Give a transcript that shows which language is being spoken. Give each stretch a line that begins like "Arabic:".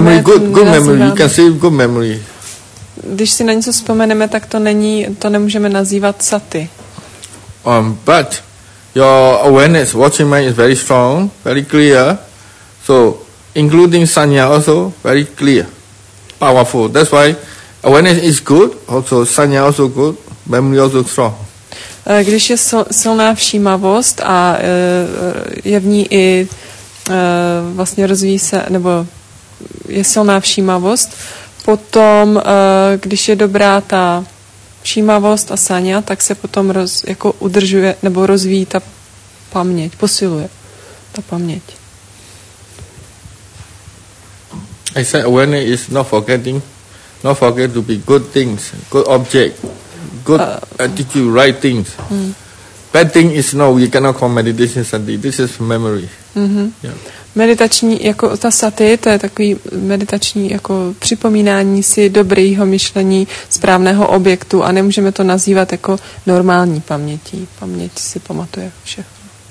English: memory, good memory, you can say good memory.
Czech: Když si na něco vzpomeneme, tak to není, to nemůžeme nazývat sati.
English: But your awareness, watching mind is very strong, very clear. So, including sanya also, very clear, powerful. That's why awareness is good, also sanya also good, memory also strong.
Czech: Když je silná všímavost a je v ní i vlastně rozvíjí se, nebo je silná všímavost, potom, když je dobrá ta všímavost a sanya, tak se potom jako udržuje, nebo rozvíjí ta paměť, posiluje ta paměť.
English: I said awareness is not forgetting, not forget to be good things, good object. Good attitude, right things. Mm. Bad thing is no, you cannot call meditation sati. This is memory. Yeah.
Czech: Meditační, jako ta sati, to je takový meditační jako připomínání si dobrýho myšlení, správného objektu a nemůžeme to nazývat jako normální pamětí. Paměť si pamatuje všechno.